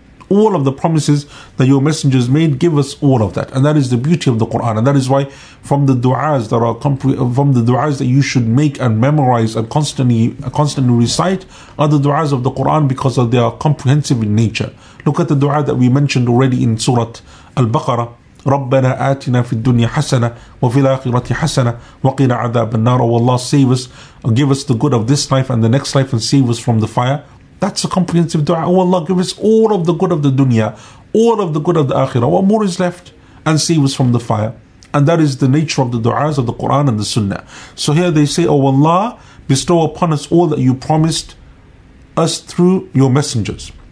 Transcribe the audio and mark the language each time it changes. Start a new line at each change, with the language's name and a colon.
English: all of the promises that your messengers made, give us all of that. And that is the beauty of the Quran. And that is why from the du'as that are from the du'as that you should make and memorize and constantly recite are the du'as of the Quran, because they are comprehensive in nature. Look at the du'a that we mentioned already in Surah Al-Baqarah.
Arabic: ربنا آتنا في الدنيا حسنة وفي الآخرة حسنة وقنا عذاب النار.
English: Oh Allah, save us, give us the good of this life and the next life, and save us from the fire. That's a comprehensive dua. Oh Allah, give us all of the good of the dunya, all of the good of the akhirah. What more is left? And save us from the fire. And that is the nature of the du'as of the Quran and the Sunnah. So here they say, Oh Allah, bestow upon us all that you promised us through your messengers.